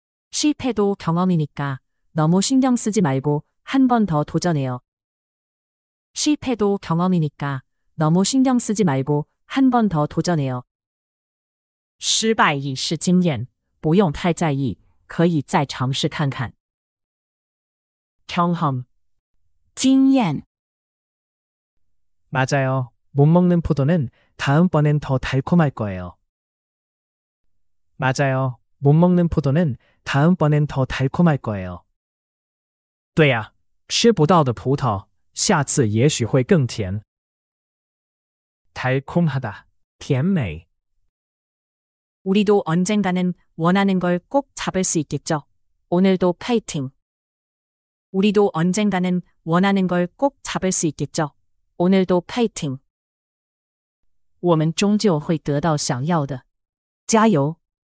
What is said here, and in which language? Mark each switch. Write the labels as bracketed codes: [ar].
[ko] 실패도 경험이니까 너무 신경 쓰지 말고 한 번 더 도전해요. 실패도 경험이니까 너무 신경 쓰지 말고 한 번 더 도전해요. [zh] 失败已是经验，不用太在意，可以再尝试看看。 [ko] 경험, [zh] 经验. [ko] 맞아요. 못 먹는 포도는 다음번엔 더 달콤할 거예요. 맞아요. 못 먹는 포도는 다음번엔 더 달콤할 거예요. [zh] 对呀, 吃不到的葡萄下次也许会更甜。 [ko] 달콤하다, 甜美. 우리도 언젠가는 원하는 걸 꼭 잡을 수 있겠죠. 오늘도 파이팅. 우리도 언젠가는 원하는 걸 꼭 잡을 수 있겠죠. 오늘도 파이팅. [zh] 我们终究会得到想要的。加油。